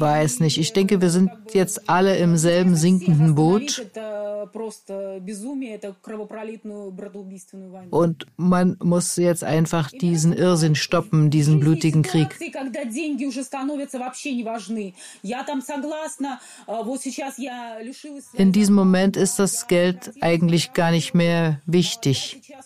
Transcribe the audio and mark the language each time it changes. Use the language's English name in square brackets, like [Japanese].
[German] Weiß nicht, ich denke, wir sind jetzt alle im selben sinkenden Boot. [Russian] Это просто безумие, это кровопролитную, братоубийственную войну. [German] Und man muss jetzt einfach diesen Irrsinn stoppen, diesen blutigen Krieg. [Russian] Когда деньги уже становятся вообще не важны. Я там согласна, вот сейчас я лишилась. [German] In diesem Moment ist das Geld eigentlich gar nicht mehr wichtig.